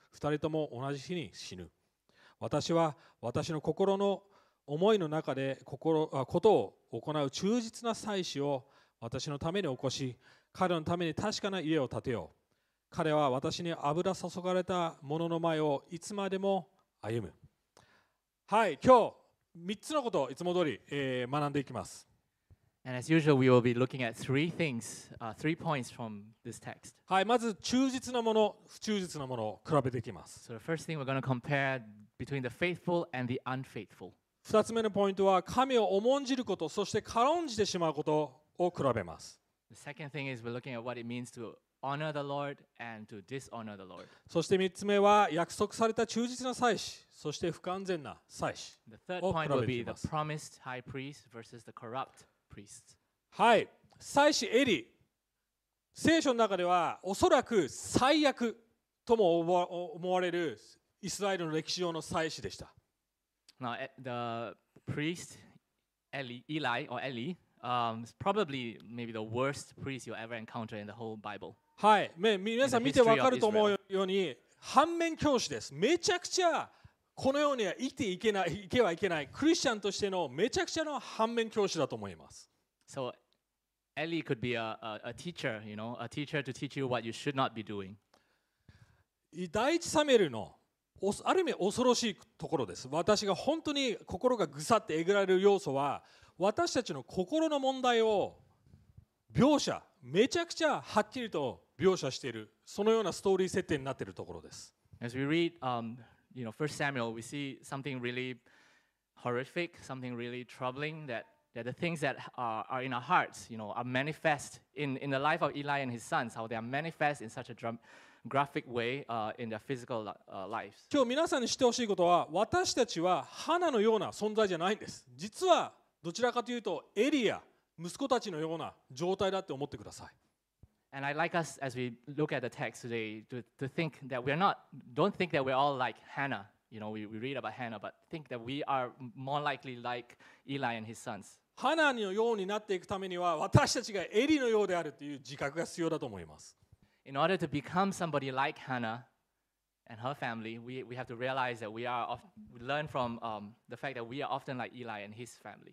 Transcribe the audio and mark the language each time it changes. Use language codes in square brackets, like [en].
[ja] 二人とも同じ日に死ぬ。私は私の心の思いの中でことを行う忠実な祭司を私のために起こし、彼のために確かな家を建てよう。彼は私に油注がれた者の前をいつまでも歩む。はい、今日3つのことをいつも通り、学んでいきます。 [en] And as usual, we will be looking at three things, three points from this text. [ja] はい、まず忠実なもの、不忠実なものを比べていきます。 [en] So the first thing we're going to compare between the faithful and the unfaithful. [ja] 二つ目のポイントは神を重んじること、そして軽んじてしまうことを比べます。 [en] The second thing is we're looking at what it means to honor the Lord and to dishonor the Lord. [ja] そして三つ目は約束された忠実な祭司、そして不完全な祭司を比べています。 [en] The third point will be the promised high priest versus the corrupt. [ja] はい、祭司エリ、聖書の中ではおそらく最悪とも思われるイスラエルの歴史上の祭司でした。 [en] Now, the priest Eli or Eli, probably maybe the worst priest you ever encounter in the whole Bible. [ja] はい、皆さん見てわかると思うように反面教師です。めちゃくちゃこのようには生きていけない、生けはいけない、クリスチャンとしてのめちゃくちゃの反面教師だと思います。 [en] So, Eli could be a teacher, you know, a teacher to teach you what you should not be doing. [ja] 第一サメルのある意味恐ろしいところです。私が本当に心がぐさってえぐられる要素は、私たちの心の問題を描写、めちゃくちゃはっきりと描写している、そのようなストーリー設定になっているところです。 [en] As we read, you know, 1 Samuel, we see something really horrific, something really troubling that. That the things that are in our hearts, you know, are manifest in the life of Eli and his sons, how they are manifest in such a graphic way in their physical lives. [ja] 今日皆さんに知ってほしいことは、私たちは花のような存在じゃないんです。実はどちらかというとエリア、息子たちのような状態だって思ってください。 [en] And I'd like us, as we look at the text today, to think that we're not, don't think that we're all like Hannah. You know, we read about Hannah, but think that we are more likely like Eli and his sons. [ja] Hannah のようになっていくためには、私たちがエリのようであるという自覚が必要だと思います。 [en] In order to become somebody like Hannah and her family, we have to realize that we learn from the fact that we are often like Eli and his family.